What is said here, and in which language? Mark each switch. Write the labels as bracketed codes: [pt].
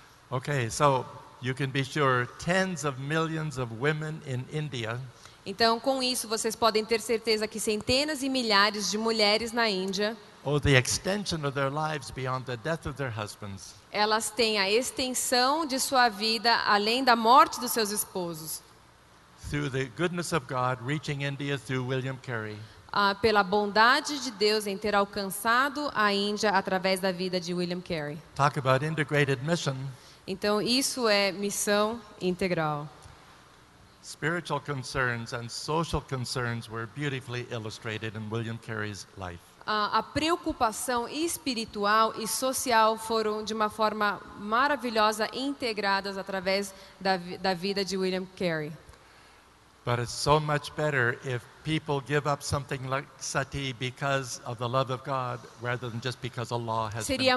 [en] Okay, so you can be sure tens of millions of women in India. [pt] Então, com isso, vocês podem ter certeza que centenas e milhares de mulheres na Índia. [en] Or the extension of their lives beyond the death of their husbands. [pt] Elas têm a extensão de sua vida além da morte dos seus esposos. [en] Through the goodness of God reaching India through William Carey. [pt] pela bondade de Deus em ter alcançado a Índia através da vida de William Carey. [en] Talk about integrated mission. [pt] Então isso é missão integral. [en] Spiritual concerns and social concerns were beautifully illustrated in William Carey's life. [pt] A preocupação espiritual e social foram de uma forma maravilhosa integradas através da vida de William Carey. [en] But it's so much better if people give up something like sati because of the love of God rather than just because a law has been passed.